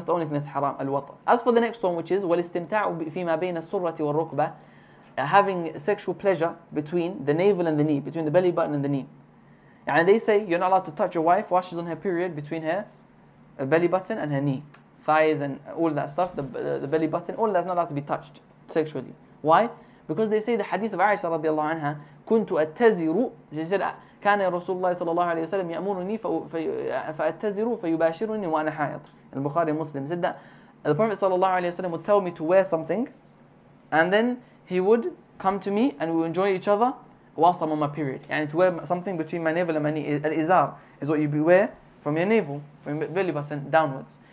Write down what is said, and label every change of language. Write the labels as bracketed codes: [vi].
[en] That's the only thing that's haram, al-wata. As for the next one, which is wal-istimta'u fima bayna as-surrati wal-rukba, having sexual pleasure between the navel and the knee, between the belly button and the knee. يعني they say you're not allowed to touch your wife while she's on her period between her belly button and her knee. Thighs and all that stuff, the belly button, all that's not allowed to be touched sexually. Why? Because they say the hadith of Aisha radiallahu anha, [ar] كنت أتزر, [en] she said, [ar] كان رسول الله صلى الله عليه وسلم يأمرني فأتزر فيباشرني وأنا حائض. [en] البخاري مسلم said that the Prophet [ar] صلى الله عليه وسلم [en] would tell me to wear something and then he would come to me and we would enjoy each other whilst I'm on my period. يعني to wear something between my navel and my knee. Al-izar is what you wear from your navel, from your belly button downwards.